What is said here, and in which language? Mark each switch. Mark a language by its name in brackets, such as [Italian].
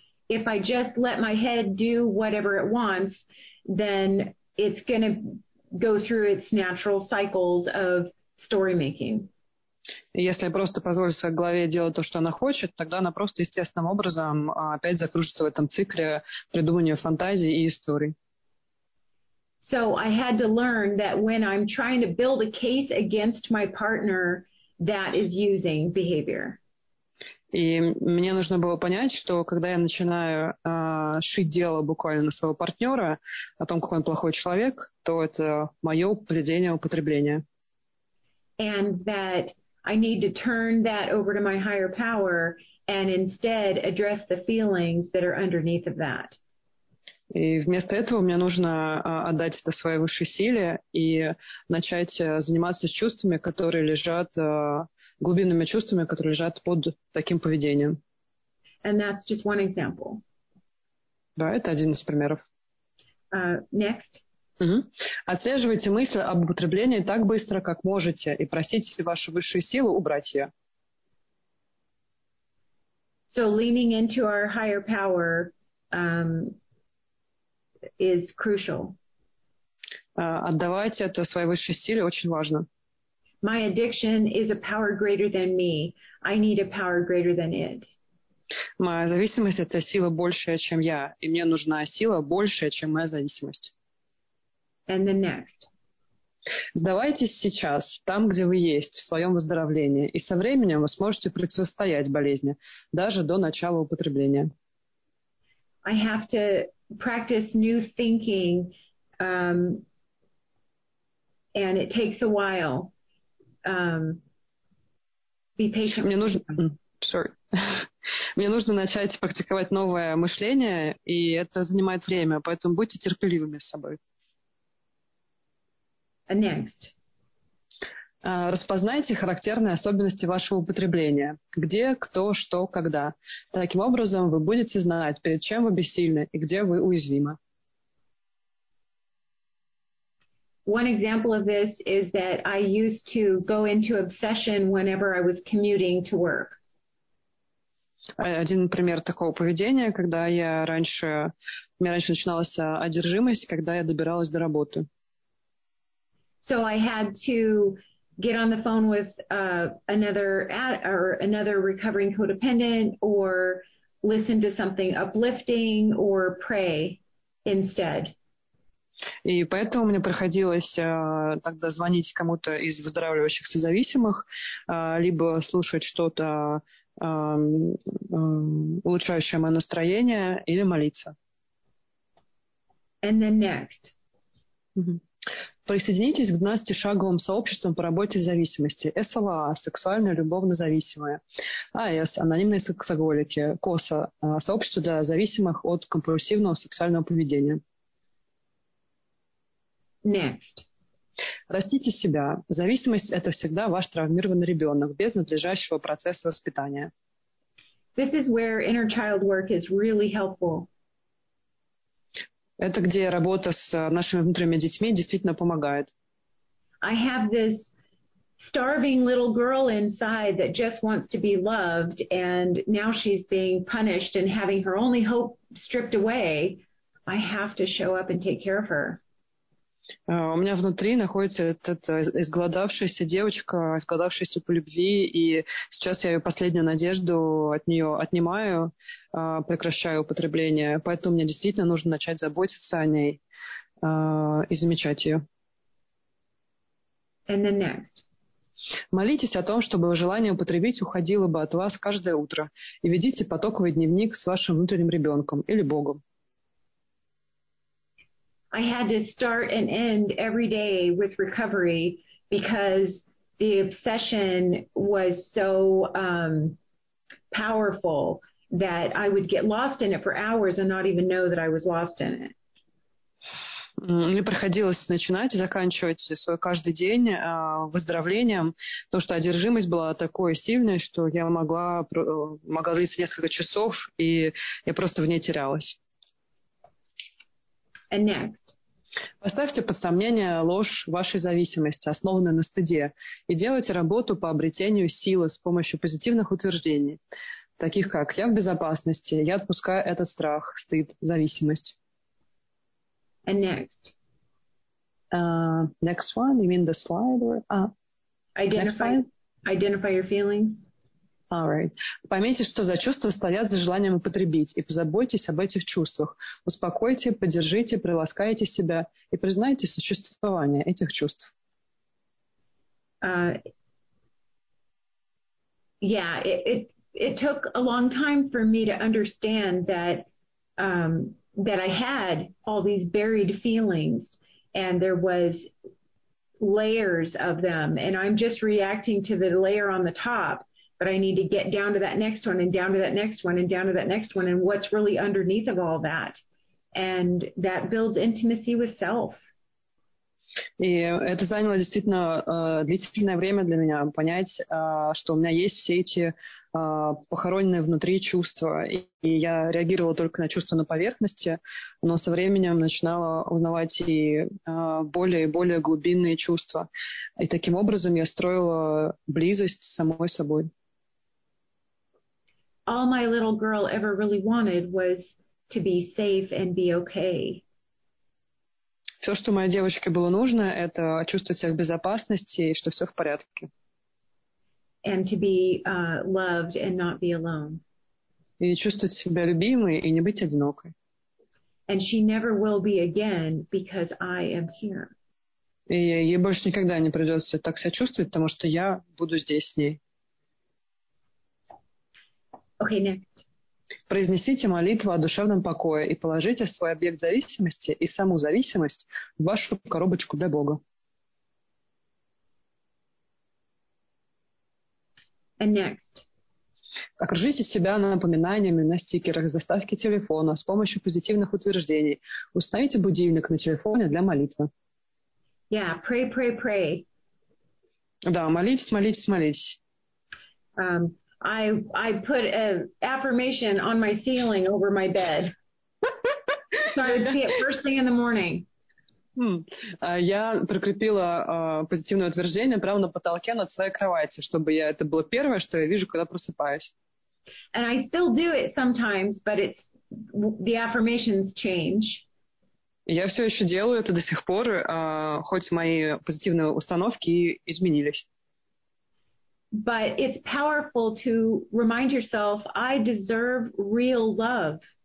[English] If I just let my head do whatever it wants, then it's going to go through its natural cycles of story making. [Russian] Если я просто позволю своей голове делать то, что она хочет, тогда она просто естественным образом опять закружится в этом цикле придумывания фантазий и историй. [English] So I had to learn that when I'm trying to build a case against my partner that is using behavior. [Russian] И мне нужно было понять, что когда я начинаю шить дело буквально на своего партнера о том, какой он плохой человек, то это мое поведение употребления. [English] And that I need to turn that over to my higher power and instead address the feelings that are underneath of that. [Russian] И вместо этого мне нужно отдать это своей высшей силе и начать заниматься чувствами, которые лежат, глубинными чувствами, которые лежат под таким поведением. [English] And that's just one example. [Russian] Да, это один из примеров. [English] Next. Угу. [Russian] Отслеживайте мысль об употреблении так быстро, как можете, и просите вашу высшую силу убрать ее. [English] So leaning into our higher power is crucial. [Russian] Отдавать это своей высшей силе очень важно. [English] My addiction is a power greater than me. I need a power greater than it. [Russian] Моя зависимость — это сила большая, чем я, и мне нужна сила большая, чем моя зависимость. [English] And the next. [Russian] Сдавайтесь сейчас, там, где вы есть, в своем выздоровлении, и со временем вы сможете противостоять болезни, даже до начала употребления. [English] I have to practice new thinking, and it takes a while. Be patient. [Russian] Мне нужно начать практиковать новое мышление, и это занимает время, поэтому будьте терпеливыми с собой. [English] Next. [Russian] Распознайте характерные особенности вашего употребления. Где, кто, что, когда. Таким образом, вы будете знать, перед чем вы бессильны и где вы уязвимы. [English] One example of this is that I used to go into obsession whenever I was commuting to work. [Russian] Один пример такого поведения, когда я раньше, у меня раньше начиналась одержимость, когда я добиралась до работы. [English] So I had to get on the phone with another recovering codependent or listen to something uplifting or pray instead. [Russian] И поэтому мне приходилось тогда звонить кому-то из выздоравливающихся зависимых, либо слушать что-то улучшающее мое настроение, или молиться. [English] And then next. [Russian] Присоединитесь к 12-шаговым сообществам по работе с зависимостью. СЛА, сексуально любовно зависимые. АС, анонимные сексоголики. КОСА, сообщество для зависимых от компульсивного сексуального поведения. [English] Next. [Russian] Растите себя. Зависимость — это всегда ваш травмированный ребенок без надлежащего процесса воспитания. [English] This is where inner child work is really helpful. [Russian] Это где работа с нашими внутренними детьми действительно помогает. [English] I have this starving little girl inside that just wants to be loved, and now she's being punished and having her only hope stripped away. I have to show up and take care of her. [Russian] У меня внутри находится эта изголодавшаяся девочка, изголодавшаяся по любви, и сейчас я ее последнюю надежду от нее отнимаю, прекращаю употребление. Поэтому мне действительно нужно начать заботиться о ней и замечать ее. [English] And then next. [Russian] Молитесь о том, чтобы желание употребить уходило бы от вас каждое утро, и ведите потоковый дневник с вашим внутренним ребенком или Богом. [English] I had to start and end every day with recovery because the obsession was so powerful that I would get lost in it for hours and not even know that I was lost in it. [Russian] Мне приходилось начинать и заканчивать свой каждый день выздоровлением, потому что одержимость была такой сильной, что я могла длиться несколько часов, и я просто в ней терялась. [English] And next. [Russian] Поставьте под сомнение ложь вашей зависимости, основанной на стыде, и делайте работу по обретению силы с помощью позитивных утверждений, таких как «я в безопасности», «я отпускаю этот страх», «стыд», «зависимость». [English] And next. Next one, you mean the slide? Or, identify your feelings. All right. [Russian] Поймите, что за чувства стоят за желанием употребить, и позаботьтесь об этих чувствах. Успокойте, поддержите, приласкайте себя и признайте существование этих чувств. [English] It took a long time for me to understand that I had all these buried feelings, and there was layers of them, and I'm just reacting to the layer on the top. But I need to get down to that next one and down to that next one and down to that next one and what's really underneath of all that. And that builds intimacy with self. [Russian] И это заняло действительно длительное время для меня понять, что у меня есть все эти похороненные внутри чувства. И я реагировала только на чувства на поверхности, но со временем начинала узнавать и более и более глубинные чувства. И таким образом я строила близость с самой собой. [English] All my little girl ever really wanted was to be safe and be okay. [Russian] Все, что моей девочке было нужно, это чувствовать себя в безопасности и что все в порядке. [English] And to be loved and not be alone. [Russian] И чувствовать себя любимой и не быть одинокой. [English] And she never will be again because I am here. [Russian] И ей больше никогда не придется так себя чувствовать, потому что я буду здесь с ней. [English] Okay, next. [Russian] Произнесите молитву о душевном покое и положите свой объект зависимости и саму зависимость в вашу коробочку для Бога. [English] And next. [Russian] Окружите себя напоминаниями на стикерах, заставке телефона с помощью позитивных утверждений. Установите будильник на телефоне для молитвы. [English] Yeah, pray, pray, pray. [Russian] Да, молитесь, молитесь, молитесь. [English] I put an affirmation on my ceiling over my bed, so I would see it first thing in the morning. [Russian] Я прикрепила позитивное утверждение прямо на потолке над своей кроватью, чтобы я это было первое, что я вижу, когда просыпаюсь. [English] And I still do it sometimes, but it's the affirmations change. [Russian] Я все еще делаю это до сих пор, хоть мои позитивные установки и изменились. [English] But it's powerful to remind yourself, I deserve real love.